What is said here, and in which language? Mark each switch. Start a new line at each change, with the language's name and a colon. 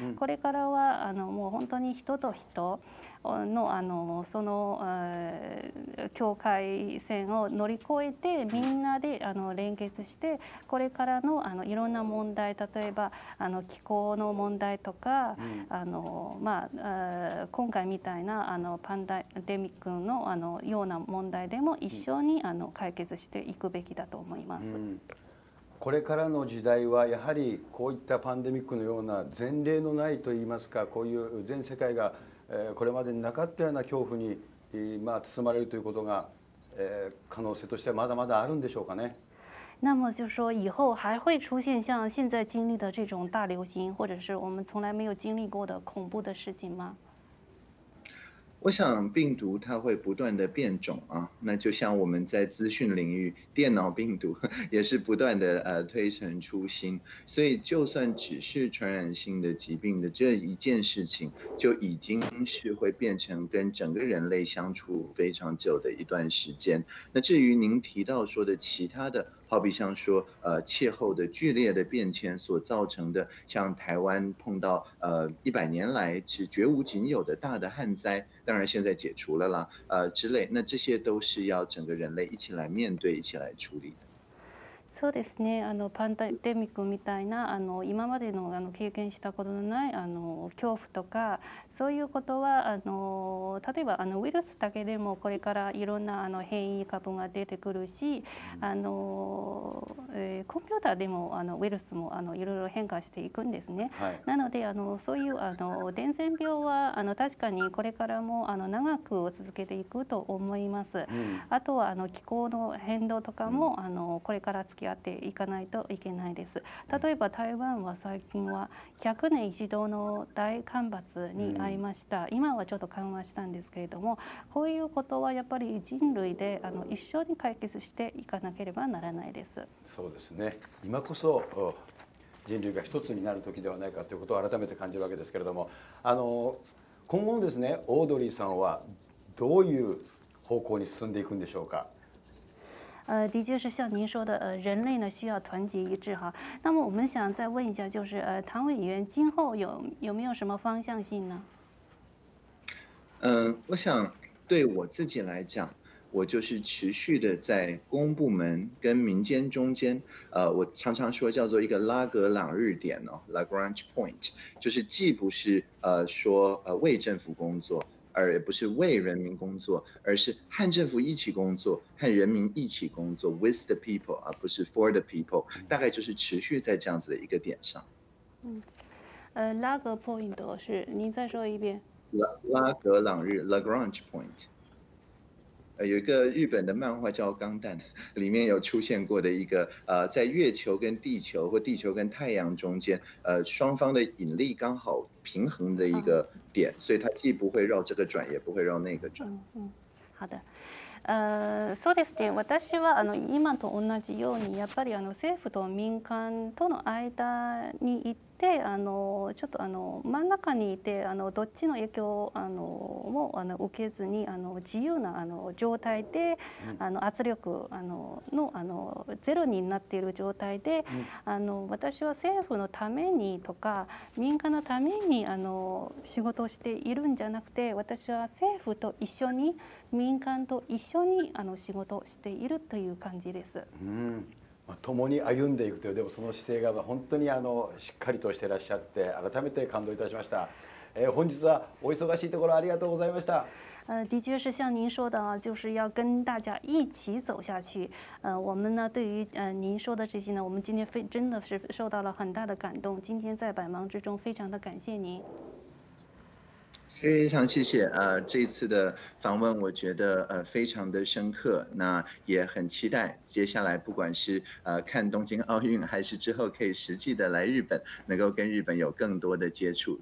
Japanese: これからはもう本当に人と人のその境界線を乗り越えて、みんなで連結して、これからのいろんな問題、例えば気候の問題とか、まあ今回みたいなパンデミックのような問題でも一緒に解決していくべきだと思います。これからの時代はやはりこういったパンデミックのような前例のないといいますか、こういう全世界がこれまでになかったような恐怖に包まれるということが可能性としてはまだまだあるんでしょうかね。
Chinese: 那么就是说，以后还会出现像现在经历的这种大流行，或者是我们从来没有经历过的恐怖的事情吗？我想病毒它会不断的变种啊，那就像我们在资讯领域，电脑病毒也是不断的推陈出新，所以就算只是传染性的疾病的这一件事情，就已经是会变成跟整个人类相处非常久的一段时间。那至于您提到说的其他的，好比像说气候的剧烈的变迁所造成的，像台湾碰到100年来是绝无仅有的大的旱灾，当然现在解除了啦，之类，那这些都是要整个人类一起来面对，一起来处理的。
Japanese: そうですね。パンデミックみたいな今まで の経験したことのない恐怖とか、そういうことは例えばウイルスだけでもこれからいろんな変異株が出てくるし、コンピューターでもウイルスもいろいろ変化していくんですね。はい、なのでそういう伝染病は確かにこれからも長く続けていくと思います。あとは気候の変動とかもこれから付き合っていかないといけないです。例えば台湾は最近は100年一度の大干ばつに遭いました。今はちょっと緩和したんですけれども、こういうことはやっぱり人類で一緒に解決していかなければならないです。そうですね。今こそ人類が一つになる時ではないかということを改めて感じるわけですけれども、今後ですね、オードリーさんはどういう方向に進んでいくんでしょうか？
Chinese: 的确是像您说的，人类呢需要团结一致哈。那么我们想再问一下，就是唐委员今后有没有什么方向性呢？我想对我自己来讲，我就是持续的在公部门跟民间中间，我常常说叫做一个拉格朗日点哦 ，Lagrange point， 就是既不是说为政府工作，而不是为人民工作，而是和政府一起工作，和人民一起工作 ，
English: with the people，
Chinese: 而不是
English: for the people。
Chinese: 大概就是持续在这样子的一个点上。 Lagrange point 是，您再说一遍。拉格朗日 Lagrange point。有一个日本的漫画叫《钢弹》，里面有出现过的一个在月球跟地球或地球跟太阳中间，双方的引力刚好平衡的一个点，所以它既不会绕这个转，也不会绕那个转。好的。
Japanese: そうですね。私は今と同じように、やっぱり政府と民間との間に行って、ちょっと真ん中にいて、どっちの影響も受けずに、自由な状態で、圧力のゼロになっている状態で、私は政府のためにとか民間のために仕事をしているんじゃなくて、私は政府と一緒に民間と一緒に仕事をしているという感じです。共に歩んでいくという、でもその姿勢が本当にしっかりとしていらっしゃって、改めて感動いたしました。本日はお忙しいところありがとうございました。
Chinese: 的确是像您说的，就是要跟大家一起走下去。我们呢，对于您说的这些呢，我们今天真的是受到了很大的感动。今天在百忙之中，非常的感谢您。非常谢谢，这一次的访问我觉得非常的深刻，那也很期待接下来不管是看东京奥运，还是之后可以实际的来日本，能够跟日本有更多的接触。